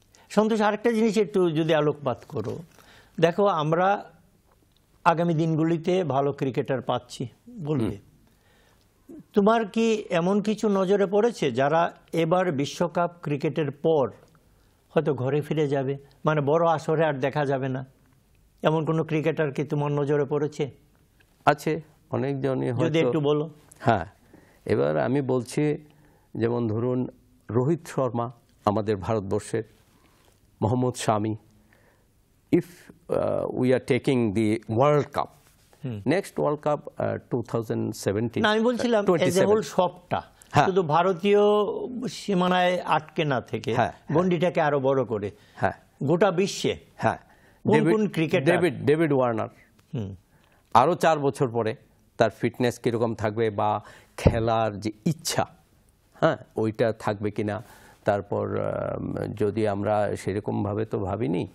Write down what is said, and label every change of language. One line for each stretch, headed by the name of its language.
Bangla: সন্তোষ, আরেকটা জিনিস একটু যদি আলোকপাত করো, দেখো আমরা আগামী দিনগুলিতে ভালো ক্রিকেটার পাচ্ছি বলবে, তোমার কি এমন কিছু নজরে পড়েছে যারা এবার বিশ্বকাপ ক্রিকেটের পর হয়তো ঘরে ফিরে যাবে, মানে বড় আসরে আর দেখা যাবে না, এমন কোনো ক্রিকেটার কি তোমার নজরে পড়েছে? আছে অনেকজনই, যদি একটু বলো। হ্যাঁ, এবার আমি বলছি যেমন ধরুন রোহিত শর্মা আমাদের ভারতবর্ষের, মোহাম্মদ শামি,
English: if we are taking the World Cup, next World Cup 2017.
Bangla: আমি বলছিলাম
English: as a whole
Bangla: সবটা শুধু ভারতীয় সীমানায় আটকে না থেকে গন্ডিটাকে আরো বড় করে গোটা বিশ্বে কোন ক্রিকেটার ডেভিড ডেভিড ওয়ার্নার আরো 4 বছর পরে তার ফিটনেস কি রকম থাকবে বা খেলার যে ইচ্ছা হ্যাঁ ওইটা থাকবে কিনা তারপর যদি আমরা সেরকম ভাবে তো ভাবিনি